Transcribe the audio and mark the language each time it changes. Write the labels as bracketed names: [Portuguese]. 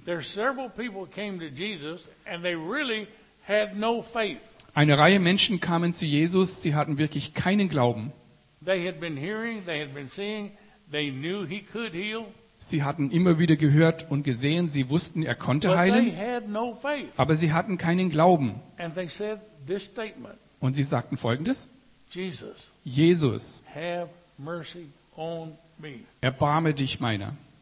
[English] There are several people came to Jesus and they really had no faith. [German] Eine Reihe Menschen kamen zu Jesus, sie hatten wirklich keinen Glauben. [English] They had been hearing, they had been seeing. They knew he could heal. [German] Sie hatten immer wieder gehört und gesehen, sie wussten, er konnte heilen. [English] They had no faith. [German] Aber sie hatten keinen Glauben. [English] And they said this statement. [German] Und sie sagten Folgendes. [English] Jesus, have mercy on me. [German] Erbarme dich meiner.